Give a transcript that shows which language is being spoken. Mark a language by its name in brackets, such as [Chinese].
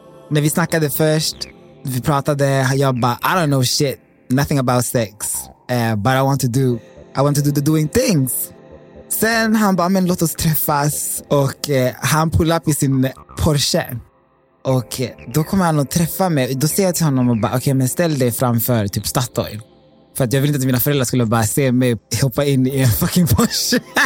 [Swedish] När vi snackade först, vi pratade. Jag bara, [English] I don't know shit. Nothing about sex. But I want to do the doing things. [Swedish] Sen han bara, men låt oss träffas. Och han pullade upp i sin Porsche. Och då kommer han att träffa mig. Då ser jag till honom och bara, okej, men ställ dig framför typ Statoil. För att jag vill inte att mina föräldrar skulle bara se mig hoppa in i en fucking Porsche.